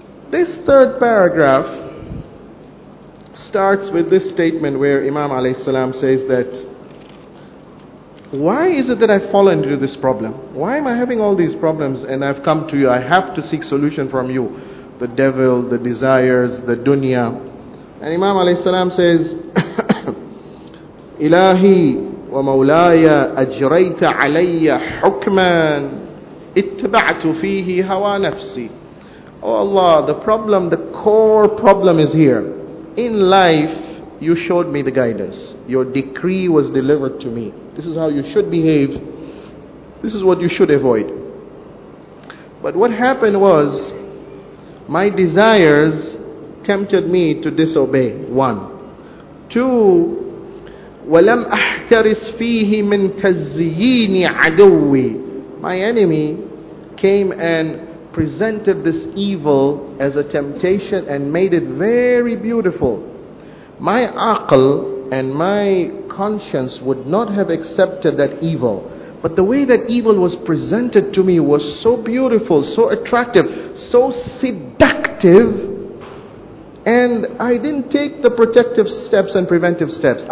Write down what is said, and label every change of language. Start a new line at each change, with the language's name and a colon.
English: This third paragraph starts with this statement where Imam alayhi salam says that, why is it that I've fallen into this problem? Why am I having all these problems and I've come to you? I have to seek solution from you. The devil, the desires, the dunya. And Imam alayhi salam says,
Arabic: إِلَهِ وَمَوْلَايَ أَجْرَيْتَ عَلَيَّ حُكْمًا اتَّبَعْتُ فِيهِ هَوَى نَفْسِي.
English: Oh Allah, the problem, the core problem is here. In life, you showed me the guidance. Your decree was delivered to me. This is how you should behave. This is what you should avoid. But what happened was, my desires tempted me to disobey. One. Two,
Arabic: وَلَمْ أَحْتَرِسْ فِيهِ مِنْ تَزِّيِّينِ عَدُوِّي.
English: My enemy came and presented this evil as a temptation and made it very beautiful. My aql and my conscience would not have accepted that evil. But the way that evil was presented to me was so beautiful, so attractive, so seductive, and I didn't take the protective steps and preventive steps.